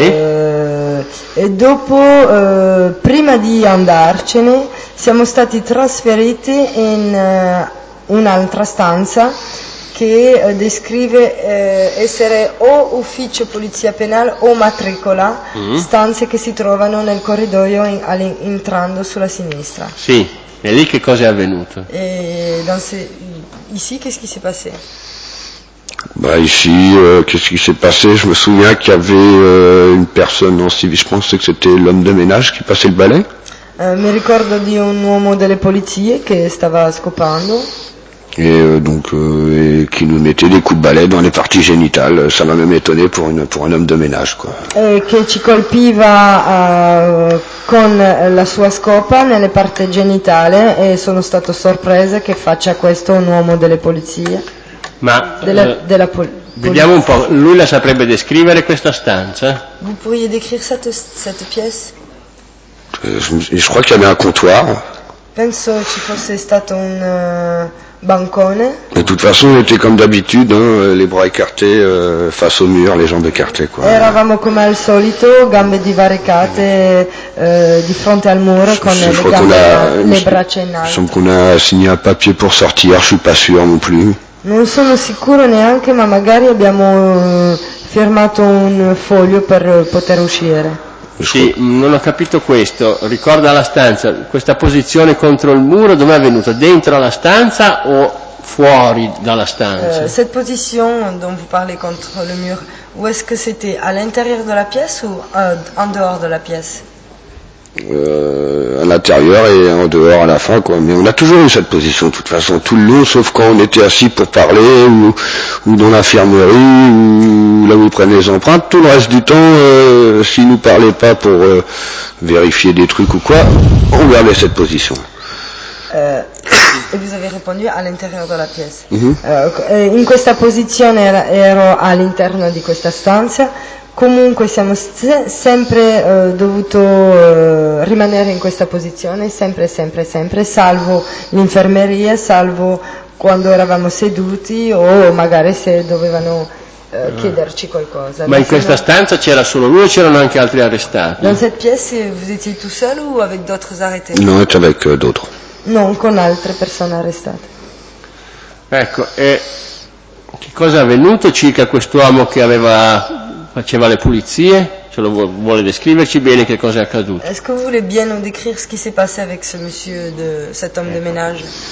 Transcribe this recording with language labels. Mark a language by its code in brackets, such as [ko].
[it] E dopo, prima di andarcene, siamo stati trasferiti in un'altra stanza che descrive essere o ufficio polizia penale o matricola, stanze che si trovano nel corridoio entrando sulla sinistra. Sì, e lì che cosa è avvenuto? [fr] E ici, qu'est-ce qui s'est passé? Bah ici, qu'est-ce qui s'est passé? Je me souviens qu'il y avait une personne en civil, je pense que c'était l'homme de ménage qui passait le balai. [it] Mi ricordo di un uomo delle polizie che stava scopando. [fr] Et donc, et qui nous mettait des coups de balai dans les parties génitales. Ça m'a même étonné pour un homme de ménage, quoi. [it] E che ci colpiva con la sua scopa nelle parti genitali e sono stato sorpresa che faccia questo un uomo delle polizie. Ma vediamo un po', lui la saprebbe descrivere questa stanza? [fr] Vous pourriez décrire cette pièce? Je crois qu'il y avait un comptoir. [it] Penso ci fosse stato un bancone. [fr] De toute façon, on était comme d'habitude, hein, les bras écartés face au mur, les jambes écartées, quoi. [it] Eravamo come al solito, gambe divaricate di fronte al muro con le gambe le braccia in alto. [fr] Je crois qu'on a signé un papier pour sortir, je suis pas sûr non plus. [it] Non sono sicuro neanche, ma magari abbiamo firmato un foglio per poter uscire. Sì, non ho capito questo. Ricorda la stanza, questa posizione contro il muro, dove è avvenuta? Dentro la stanza o fuori dalla stanza? [fr] Cette position dont vous parlez contre le mur, où est-ce que c'était? À l'intérieur de la pièce ou en dehors de la pièce? À l'intérieur et en dehors à la fin, quoi. Mais on a toujours eu cette position de toute façon tout le long, sauf quand on était assis pour parler ou dans l'infirmerie ou là où ils prennent les empreintes. Tout le reste du temps, s'ils nous parlaient pas pour vérifier des trucs ou quoi, on gardait cette position. [it] E [fr] vous avez répondu à l'intérieur de la pièce. [it] In questa posizione ero all'interno di questa stanza, Comunque siamo sempre dovuto rimanere in questa posizione, sempre, sempre, sempre, salvo l'infermeria, salvo quando eravamo seduti o magari se dovevano chiederci qualcosa. Ma in questa stanza c'era solo lui o c'erano anche altri arrestati? [fr] Dans cette pièce, vous étiez tout seul ou avec d'autres arrêtés? Non, c'è avec d'autres. [it] Non, con altre persone arrestate. Ecco, e che cosa è avvenuto circa quest'uomo che aveva... faceva le pulizie, ce lo vuole descriverci bene che cosa è accaduto? [fr] Est-ce que vous voulez bien nous décrire ce qui s'est passé avec ce monsieur de cet homme de ménage?